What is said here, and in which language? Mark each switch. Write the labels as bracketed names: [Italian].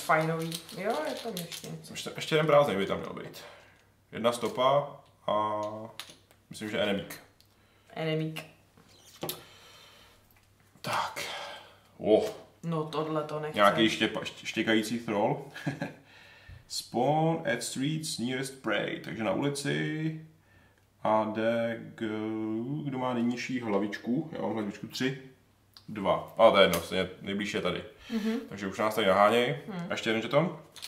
[Czech] Fajnový. Jo, je tam ještě něco. Ještě jeden prázdný by tam měl být. Jedna stopa a myslím, že enemík. Enemík. Tak. Oh. No tohle to nechce. Nějaký štěkající troll. [English] Spawn at street's nearest prey. [Czech] Takže na ulici. A jde kdo má nejnižší hlavičku. Já mám hlavičku 3. 2. Ale to je jedno, stejně nejblíž je tady. Mm-hmm. Takže už nás tady nahánějí. Mm. Ještě jeden žeton.